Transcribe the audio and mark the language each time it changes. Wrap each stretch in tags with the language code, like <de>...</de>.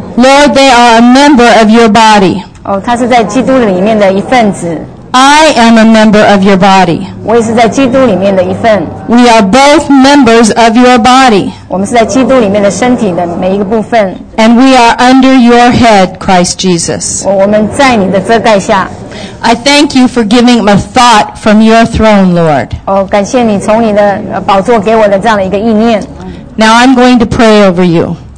<en>Lord, they are a member of your body.</en> <zh>哦,他是在基督里面的一份子,</zh> <en>I am a member of your body.</en> <zh>我也是在基督里面的一份,</zh> <en>we are both members of your body. And we are under your head, Christ Jesus. I thank you for giving a thought from your throne, Lord. Now I'm going to pray over you.</en>